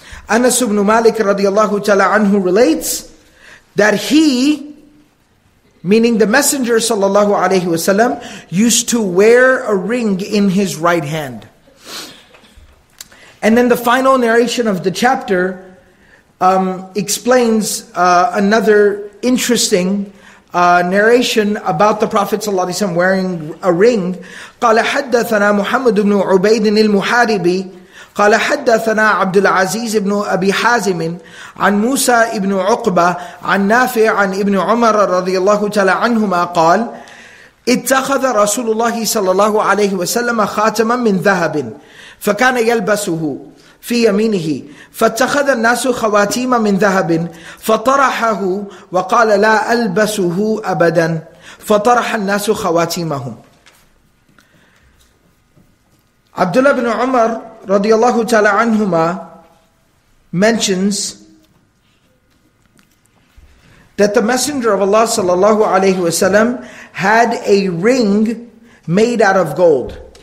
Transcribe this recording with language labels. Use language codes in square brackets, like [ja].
[en] Anas ibn Malik radiallahu ta'ala anhu relates that he, meaning the Messenger sallallahu alayhi wasallam, used to wear a ring in his right hand. And then the final narration of the chapter explains another interesting narration about the Prophet sallallahu alayhi wasallam wearing a ring. [ar] قَالَ حَدَّثَنَا مُحَمَّدُ بْنُ عُبَيْدٍ الْمُحَارِبِ قال حدثنا عبد العزيز بن أبي حازم عن موسى بن عقبة عن نافع عن ابن عمر رضي الله تعالى عنهما قال اتخذ رسول الله صلى الله عليه وسلم خاتما من ذهب فكان يلبسه في يمينه فاتخذ الناس خواتيم من ذهب فطرحه وقال لا ألبسه أبدا فطرح الناس خواتيمهم. [en] Abdullah ibn Umar radiallahu ta'ala anhuma mentions that the Messenger of Allah sallallahu alayhi wa sallam had a ring made out of gold.